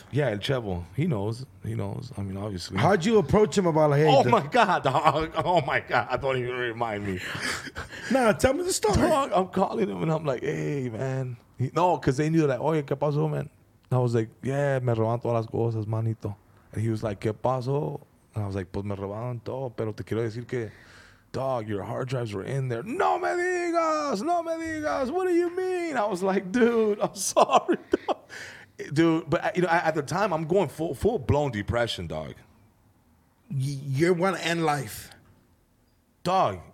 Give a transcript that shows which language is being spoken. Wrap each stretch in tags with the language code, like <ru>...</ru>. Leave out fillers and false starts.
<en>Yeah, El Chevo. He knows. I mean, obviously. How'd you approach him about, like, hey? Oh my God, dog. Don't even remind me. Nah, tell me the story. Dog, I'm calling him and I'm like, hey, man. No, because they knew, like,</en> <es>oye, ¿qué pasó,</es> <en>man? And I was like, yeah,</en> <es>me roban todas las cosas, manito.</es> <en>And he was like,</en> <es>¿qué pasó?</es> <en>And I was like,</en> <es>pues me roban todo, pero te quiero decir que.</es> <en>Dog, your hard drives were in there.</en> <es>No me digas.</es> <en>What do you mean? I was like, dude, I'm sorry, dude. But you know, at the time, I'm going full blown depression, dog. You're one end life, dog.</en>